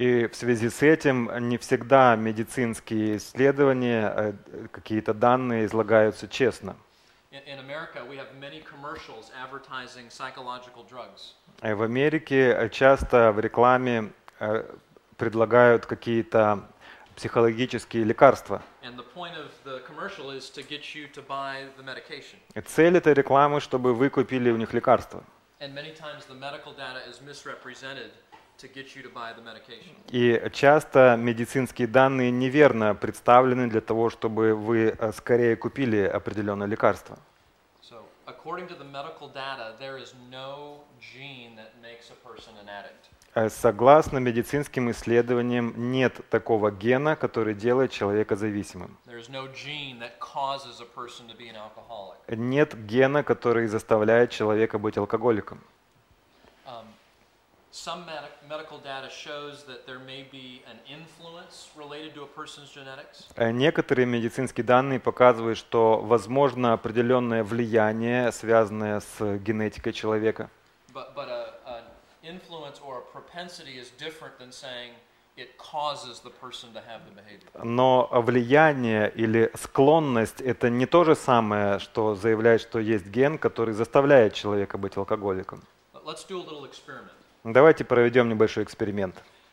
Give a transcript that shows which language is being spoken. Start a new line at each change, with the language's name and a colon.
Russian: И в связи с этим не всегда медицинские исследования, какие-то данные излагаются честно.
English: In America we have many commercials advertising psychological drugs.
Russian: В Америке часто в рекламе предлагают какие-то психологические лекарства.
English: And the point of the commercial is to get you to buy the medication.
Russian: Цель этой рекламы, чтобы вы купили у них лекарство.
English: And many times the medical data is misrepresented to get you to buy the medication.
Russian: И часто медицинские данные неверно представлены для того, чтобы вы скорее купили определенное лекарство.
English: So, according to the medical data, there is no gene that makes a person an addict.
Russian: Согласно медицинским исследованиям, нет такого гена, который делает человека зависимым.
English: There is no gene that causes a person to be an alcoholic.
Russian: Нет гена, который заставляет человека быть алкоголиком.
English: Some medical data shows that there may be an influence related to a person's genetics.
Russian: Некоторые медицинские данные показывают, что возможно определенное влияние, связанное с генетикой человека.
English: But an influence or a propensity is different than saying it causes the person to have the behavior.
Russian: Но влияние или склонность — это не то же самое, что заявляет, что есть ген, который заставляет человека быть алкоголиком.
English: Let's do a little experiment.
Russian: Давайте проведем небольшой эксперимент.